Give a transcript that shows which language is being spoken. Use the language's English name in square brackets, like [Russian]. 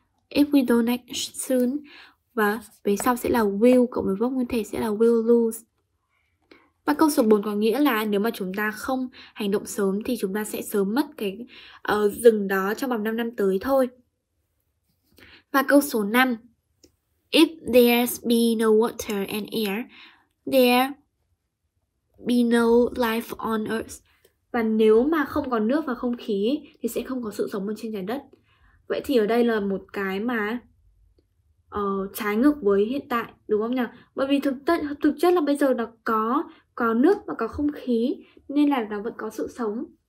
[English] If we don't act soon. [Vietnamese] Và về sau sẽ là will, cộng với verb nguyên thể sẽ là [English] will lose. [Vietnamese] Và câu số 4 có nghĩa là nếu mà chúng ta không hành động sớm thì chúng ta sẽ sớm mất cái rừng đó trong vòng 5 năm tới thôi. Và câu số 5. [English] If there's be no water and air, there be no life on earth. [Vietnamese] Và nếu mà không có nước và không khí thì sẽ không có sự sống trên trái đất. Vậy thì ở đây là một cái mà trái ngược với hiện tại, đúng không nhỉ? Bởi vì thực chất là bây giờ nó có nước và có không khí nên là nó vẫn có sự sống.